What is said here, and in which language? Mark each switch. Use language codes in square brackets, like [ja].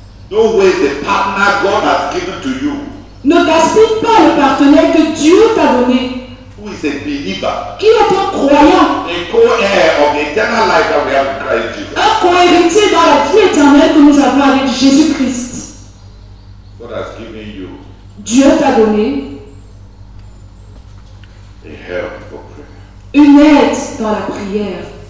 [en] Don't waste the partner God has given to you. [fr] Ne gaspille pas le partenaire que Dieu t'a donné. [en] Who is a believer? [fr] Qui est un croyant? [en] A co-heir of the eternal life that we have in Christ Jesus. [fr] Un co-héritier dans la vie éternelle que nous avons avec Jésus Christ. [en] God has given you. [fr] Dieu t'a donné. [en] A help for prayer. [fr] Une aide dans la prière.